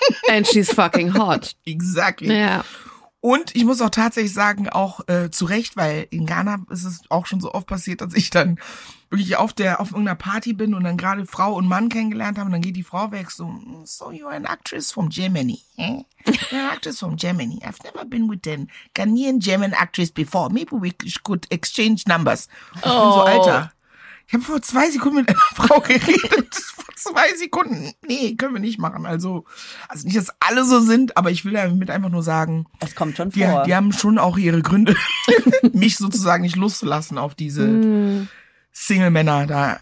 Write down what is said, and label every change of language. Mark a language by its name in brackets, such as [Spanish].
[English] And she's fucking hot. Exactly. Ja. Yeah. [German] Und ich muss auch tatsächlich sagen, auch zu Recht, weil in Ghana ist es auch schon so oft passiert, dass ich dann wirklich auf irgendeiner Party bin und dann gerade Frau und Mann kennengelernt habe und dann geht die Frau weg so, [English] so you're an actress from Germany, eh? You're an actress from Germany. I've never been with a Ghanaian German actress before. Maybe we could exchange numbers. [German] Ich bin so, Alter, ich habe vor 2 Sekunden mit einer Frau geredet. 2 Sekunden. Nee, können wir nicht machen. Also nicht, dass alle so sind, aber ich will damit einfach nur sagen, es kommt schon vor. Die haben schon auch ihre Gründe, mich sozusagen nicht loszulassen auf diese Single-Männer da.